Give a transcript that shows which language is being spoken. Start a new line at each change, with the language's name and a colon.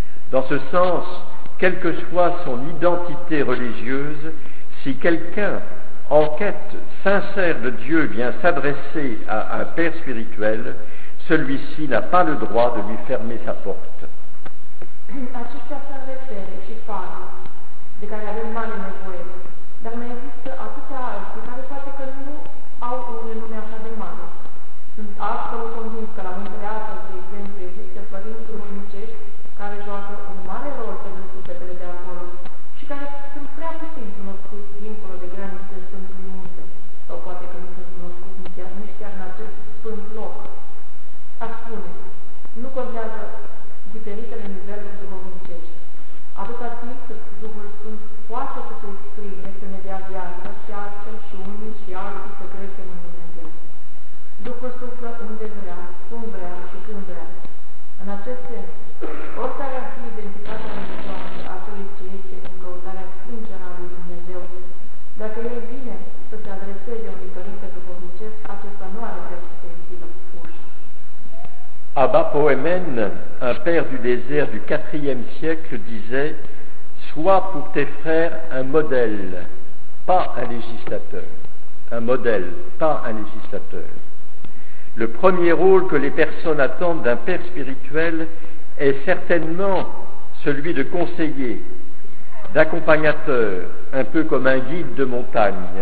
French: Dans ce sens, quelle que soit son identité religieuse, si quelqu'un en quête sincère de Dieu vient s'adresser à un père spirituel, celui-ci n'a pas le droit de lui fermer sa porte.
Romanian: Aceștia sunt repere și fare de care avem mare nevoie, dar mai există atâtea alții care poate că nu au un renume așa de mare. Sunt absolut convins că la Muntele Athos, de exemplu, există părinți rumnicești care joacă un mare rol pentru sufletele de acolo și care sunt prea puțin cunoscuți dincolo de granițele Sfântului Munte, sau poate că nu sunt cunoscuți nici chiar în acest sfânt loc. Aș spune, nu contează diferitele niveluri duhovnicești. Atâta timp cât Duhul Sfânt poate să se exprime, să ne dea viață și astfel și unii și alții să creștem în Dumnezeu. Duhul suflă unde vrea, cum vrea și când vrea. În acest sens, oricare ar fi identitatea religioasă a celui ce este în căutarea sinceră a lui Dumnezeu, dacă el vine să se adreseze unui părinte duhovnicesc, acesta nu are drept să se închidă ușa.
French: Abba Poemen, un père du désert du IVe siècle, disait « Sois pour tes frères un modèle, pas un législateur. » Un modèle, pas un législateur. Le premier rôle que les personnes attendent d'un père spirituel est certainement celui de conseiller, d'accompagnateur, un peu comme un guide de montagne.